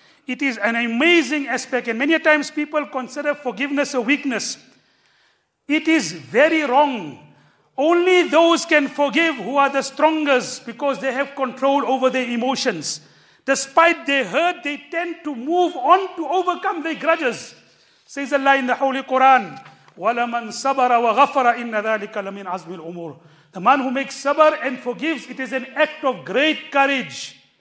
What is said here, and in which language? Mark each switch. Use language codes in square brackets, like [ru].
[en] It is an amazing aspect. And many a times people consider forgiveness a weakness. It is very wrong. Only those can forgive who are the strongest, because they have control over their emotions. Despite their hurt, they tend to move on to overcome their grudges. Says Allah in the Holy Quran, [ar] وَلَمَنْ صَبَرَ وَغَفَرَ إِنَّ ذَلِكَ لَمِنْ عَزْمِ الْأُمُورِ. [en] The man who makes sabr and forgives, it is an act of great courage.